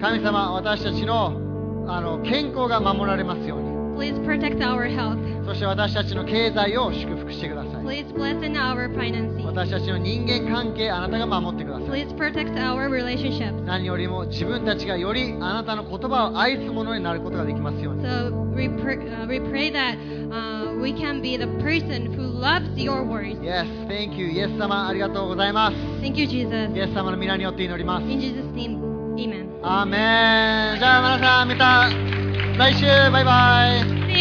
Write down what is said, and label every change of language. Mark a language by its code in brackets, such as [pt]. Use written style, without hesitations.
[ja] 神様、私たちの、健康が守られますように。 [en] Please protect our health. [ja] そして私たちの経済を祝福してください。 [en] Please bless in our finances. [ja] 私たちの人間関係、あなたが守ってください。 [en] Please protect our relationships. [ja] 何よりも自分たちがよりあなたの言葉を愛すものになることができますように。 [en] So we pray that we can be the person who loves your words. Yes, thank you. [ja] イエス様、ありがとうございます。 [en] Thank you, Jesus. [ja] イエス様の皆によって祈ります。 [en] In Jesus' name, Amen. [ja] アーメン。じゃあ皆さん、また来週、バイバイ。